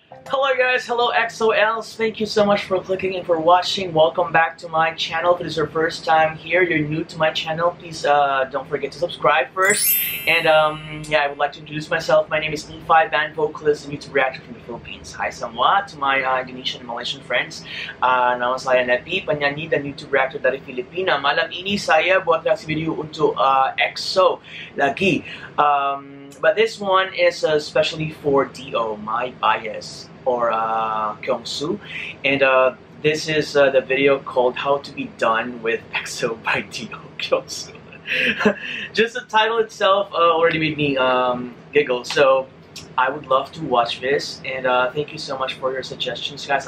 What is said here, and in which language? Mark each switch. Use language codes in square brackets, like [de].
[en] Hello EXO-Ls, thank you so much for clicking and for watching. Welcome back to my channel. If it is your first time here, you're new to my channel, please don't forget to subscribe first. And I would like to introduce myself. My name is Nephi, band vocalist and YouTube reactor from the Philippines. Hi semua to my Indonesian and Malaysian friends. [id] Nama saya Nephi, penyanyi dan YouTube reactor dari Filipina. Malam ini saya buat reaksi video untuk EXO lagi. [en] But this one is especially for D.O., my bias. Or Kyungsoo, and this is the video called How to Be Done with EXO by D.O. Kyungsoo. Just the title itself already made me giggle, so I would love to watch this, and thank you so much for your suggestions, guys.